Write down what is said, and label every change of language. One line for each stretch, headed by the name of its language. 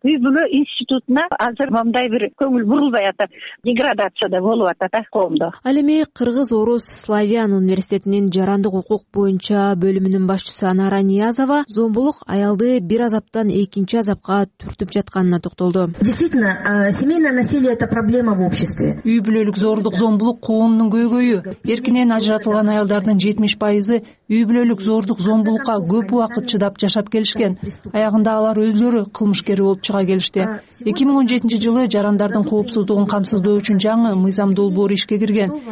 Kyrgyz: Үй бүлө институтуна азыр мындай бир көңүл бурулбай атат, деградация да болуп атат коомдо. Ал эми кыргыз орус славян университетинин жарандык укук боюнча бөлүмүнүн башчысы Анара Ниязова зомбулук аялды бир азаптан экинчи азапка түртүп жатканына токтолду.
Russian: Действительно, Семейное насилие это проблема в обществе.
Kyrgyz: Үй бүлөлүк зордук зомбулук коомдун көйгөйү. Эркинен ажыратылган аялдардын 70% үй бүлөлүк зордук зомбулукка көп убакыт чыдап жашап келишкен. Аягында алар өзлөрү кылмышкер болуп чыга келишти. 2017 жылы жарандардын коопсуздугун камсыздоо үчүн жаңы мыйзам долбоору ишке кирген.